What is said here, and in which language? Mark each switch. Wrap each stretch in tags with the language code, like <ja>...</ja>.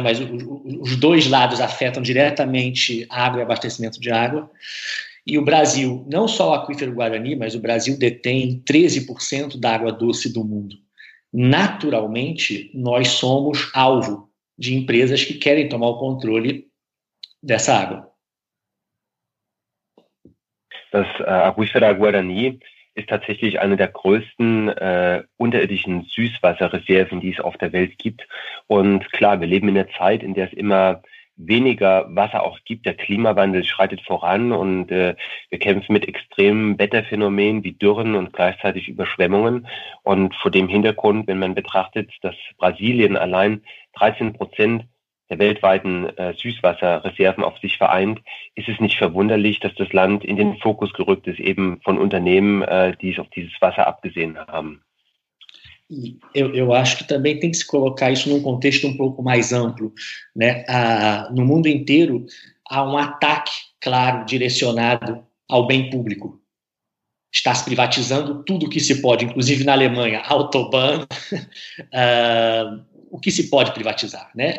<pt>Mas os dois lados afetam diretamente a água e abastecimento de água. E o Brasil, não só o aquífero Guarani, mas o Brasil detém 13% da água doce do mundo. Naturalmente, nós somos alvo de empresas que querem tomar o controle dessa água.</pt> <de>Das Aquífero Guarani ist tatsächlich eine der größten unterirdischen Süßwasserreserven, die es auf der Welt gibt. Und klar, wir leben in einer Zeit, in der es immer weniger Wasser auch gibt. Der Klimawandel schreitet voran und wir kämpfen mit extremen Wetterphänomenen wie Dürren und gleichzeitig Überschwemmungen. Und vor dem Hintergrund, wenn man betrachtet, dass Brasilien allein 13% der weltweiten Süßwasserreserven auf sich vereint, ist es nicht verwunderlich, dass das Land in den Fokus gerückt ist, eben von Unternehmen, die sich auf dieses Wasser abgesehen haben.</de> <pt>Eu acho que também tem que se colocar isso num contexto um pouco mais amplo, né? No mundo inteiro, há um ataque, claro, direcionado ao bem público. Está se privatizando tudo o que se pode, inclusive na Alemanha, Autobahn, o que se pode privatizar, né?</pt>